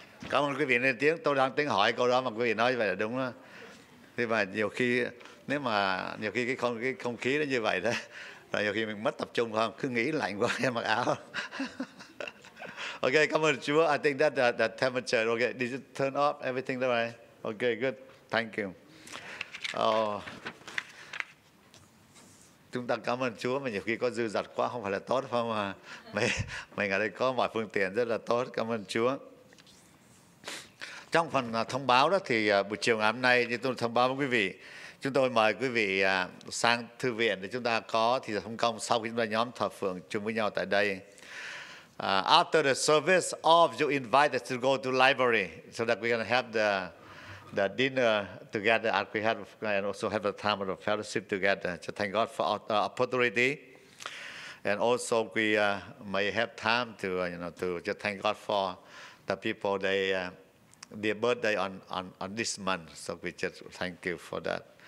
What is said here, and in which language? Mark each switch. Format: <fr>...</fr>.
<vi>Cảm ơn quý vị lên tiếng, tôi đang tính hỏi câu đó mà quý vị nói vậy là đúng đó. Thế mà nhiều khi, nếu mà nhiều khi cái không khí nó như vậy đó, là nhiều khi mình mất tập trung không? Cứ nghĩ lạnh quá, em mặc áo. Okay, cảm ơn Chúa.</vi> <en>I think that the temperature, okay, did you turn off everything that way? Okay, good. Thank you.</en> <vi>Chúng ta cảm ơn Chúa mà nhiều khi có dư dật quá không phải là tốt không mà. Mình ở đây có mọi phương tiện rất là tốt, cảm ơn Chúa. Trong phần thông báo đó thì buổi chiều ngày hôm nay như tôi thông báo với quý vị, chúng tôi mời quý vị sang thư viện để chúng ta có thì giờ thông công sau khi chúng ta nhóm thờ phượng chung với nhau tại đây.</vi> <en>After the service, all of you invited to go to library so that we can have the dinner together and we have and also have a time of the fellowship together. So thank God for our opportunity and also we may have time to you know to just thank God for the people they their birthday on this month, so we just thank you for that.</en>